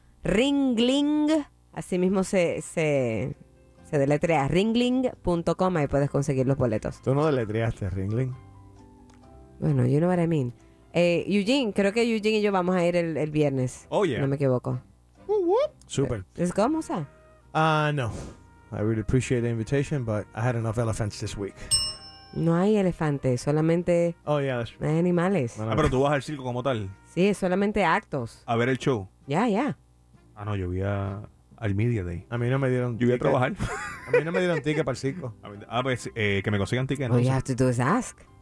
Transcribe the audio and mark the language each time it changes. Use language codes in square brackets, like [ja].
[es] Ringling, así mismo se deletrea. Ringling.com, ahí puedes conseguir los boletos. ¿Tú no deletreaste Ringling? [en] Bueno, you know what I mean. Eugene, creo que Eugene y yo vamos a ir el viernes. Oh, yeah. [es] No me equivoco. Super. ¿Es como, o sea? No. [en] I really appreciate the invitation, but I had enough elephants this week. [es] No hay elefantes, solamente... [en] Oh, yeah, that's true. [es] Hay animales. Ah, pero tú vas al circo como tal. Sí, es solamente actos. A ver el show. Ya, yeah, ya. Yeah. Ah, no, yo vi al Media Day. A mí no me dieron... Yo vi a trabajar. A mí no me dieron ticket para el circo. Que me consigan ticket. [en] All you have to do is ask.